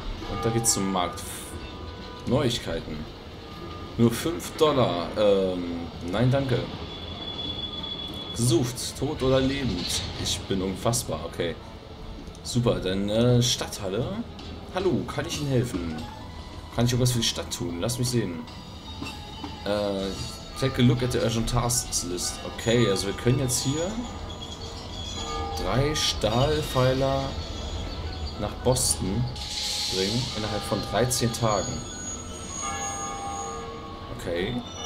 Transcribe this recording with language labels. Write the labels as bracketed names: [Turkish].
[German] Und da geht's zum Markt. Neuigkeiten. Nur 5 Dollar. Nein, danke. Gesucht, tot oder lebend. Ich bin unfassbar, okay. Super, dann Stadthalle. Hallo, kann ich Ihnen helfen? Kann ich irgendwas für die Stadt tun? Lass mich sehen. [English] Take a look at the urgent tasks list. [German] Okay, also wir können jetzt hier 3 Stahlpfeiler nach Boston bringen innerhalb von 13 Tagen. Okay.